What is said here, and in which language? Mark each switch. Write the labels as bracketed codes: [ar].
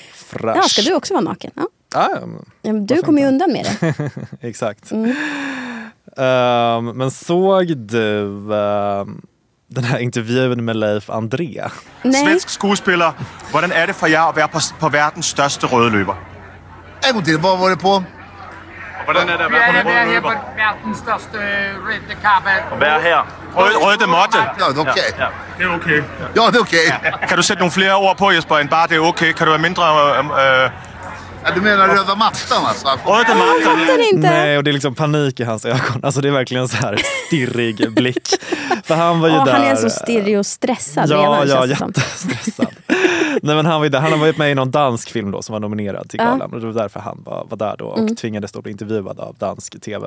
[en] Fresh. [sv] Ja, ska du också vara naken? Ja. Ja, du kommer ju undan med det. Exakt. Mm. Men såg du den här intervjun med Leif André? [da] Nej. Svensk skuespillare, hvordan er det for jer at være på verdens største røde løber? Jeg kunne tænke, hvor var det på? Og hvordan er det at være på den røde løber? På verdens største røde kappe. Og være her? Røde måtte? Ja, det er okay. Det er okay. Ja, det er okay. Kan du sætte nogle flere ord på, Jesper, end bare det er okay? Kan du være mindre... [sv] Ja, du menar röda mattan alltså? Röda mattan inte. Nej, och det är liksom panik i hans ögon. Alltså det är verkligen så här stirrig blick. För han var ju där. Han är så stirrig och stressad. Ja, jättestressad. Nej, men han var ju där. Han har varit med i någon dansk film då som var nominerad till galan. Ja. Och det var därför han var där då och tvingades då bli intervjuad av dansk tv.